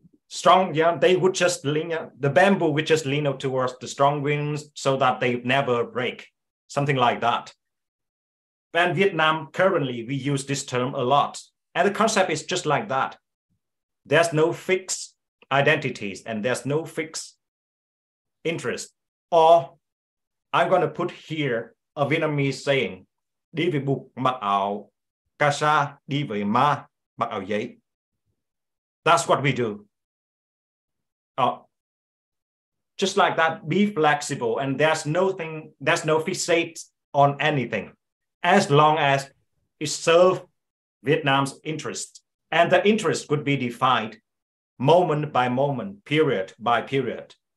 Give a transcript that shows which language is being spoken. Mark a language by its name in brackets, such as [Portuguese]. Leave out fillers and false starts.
[English] Strong, yeah, they would just lean, the bamboo would just lean up towards the strong winds so that they never break. Something like that. And Vietnam, currently, we use this term a lot. And the concept is just like that. There's no fixed identities and there's no fixed interest. Or I'm going to put here a Vietnamese saying, [Vietnamese] đi về bụt mặc áo cà sa, đi về má mặc áo giấy. [English] That's what we do. Oh. Just like that, be flexible, and there's nothing, there's no fixate on anything, as long as it serves Vietnam's interest. And the interest could be defined moment by moment, period by period.